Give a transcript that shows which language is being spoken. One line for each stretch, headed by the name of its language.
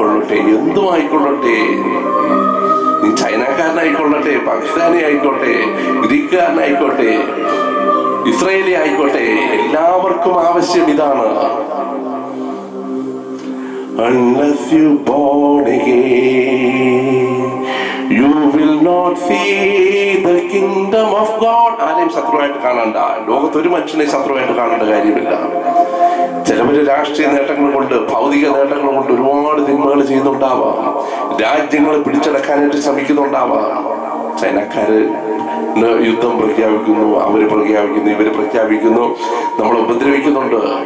Malayalam: എന്തുമായിക്കൊള്ളട്ടെ, നീ ചൈനക്കാരനായിക്കൊള്ളട്ടെ, പാകിസ്ഥാനി ആയിക്കോട്ടെ, ഗ്രീക്കുകാരനായിക്കോട്ടെ, ഇസ്രായേലി ആയിക്കോട്ടെ, എല്ലാവർക്കും ആവശ്യം ഇതാണ്.
English: Unless you born again, you will not see the kingdom of God.
Malayalam: ആരെയും ശത്രുവായിട്ട് കാണണ്ട. ലോകത്തൊരു മനുഷ്യനെ ശത്രുവായിട്ട് കാണേണ്ട കാര്യമില്ല. ചിലവര് രാഷ്ട്രീയ നേട്ടങ്ങൾ കൊണ്ട് ഭൗതിക നേട്ടങ്ങൾ കൊണ്ട് ഒരുപാട് തിന്മകൾ ചെയ്യുന്നുണ്ടാവാം. രാജ്യങ്ങൾ പിടിച്ചെടുക്കാനായിട്ട് ശ്രമിക്കുന്നുണ്ടാവാം. ചൈനക്കാര് യുദ്ധം പ്രഖ്യാപിക്കുന്നു, അവർ പ്രഖ്യാപിക്കുന്നു, ഇവർ പ്രഖ്യാപിക്കുന്നു, നമ്മൾ ഉപദ്രവിക്കുന്നുണ്ട്.